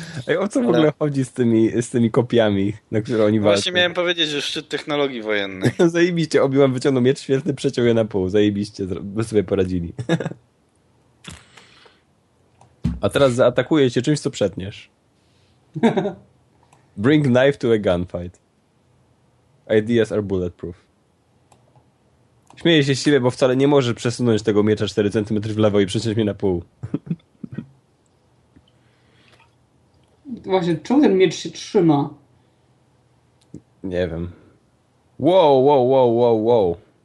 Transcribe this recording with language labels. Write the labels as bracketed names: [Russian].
[Polish] Ej, o co w ogóle chodzi z tymi kopiami, na które oni walczą? Właśnie miałem powiedzieć, że szczyt technologii wojennej. Zajebiście, Obi-Wan wyciągnął miecz świetny, przeciął je na pół. Zajebiście, by sobie poradzili. A teraz zaatakuje cię czymś, co przetniesz. [English] Bring knife to a gunfight. Ideas are bulletproof. [Polish] Śmieję się z siebie, bo wcale nie możesz przesunąć tego miecza 4 cm w lewo i przeciąć mnie na pół. Właśnie, czemu ten miecz się trzyma? Nie wiem. Wow.